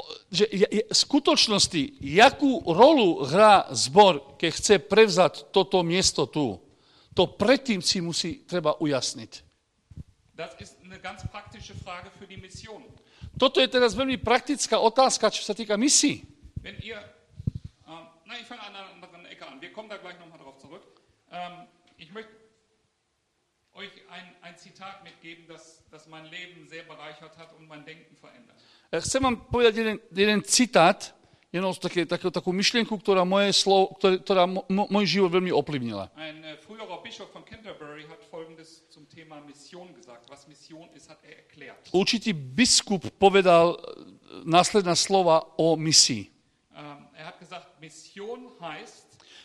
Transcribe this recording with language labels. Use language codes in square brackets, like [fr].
[sk] Že v skutočnosti, jakú rolu hrá zbor, keď chce prevzať toto miesto tu? To predtým si musí treba ujasniť. [de] Das ist eine ganz praktische Frage für die Mission. [sk] Toto je teraz veľmi praktická otázka, čo sa týka misií. [de] Wenn ihr ich fange an einer Ecke an. Wir kommen da gleich noch mal drauf zurück. Ich möchte euch ein Zitat mitgeben, das mein Leben sehr bereichert hat und mein Denken verändert. [sk] Chcem vám povedať jeden citát, jednou takú myšlienku, ktorá môj život veľmi ovplyvnila. [de] Ein früherer Bischof von Canterbury hat folgendes zum Thema Mission gesagt. Was Mission ist, hat er erklärt. [sk] Určitý biskup povedal následné slova o misii. [de] Er hat gesagt, Mission heißt.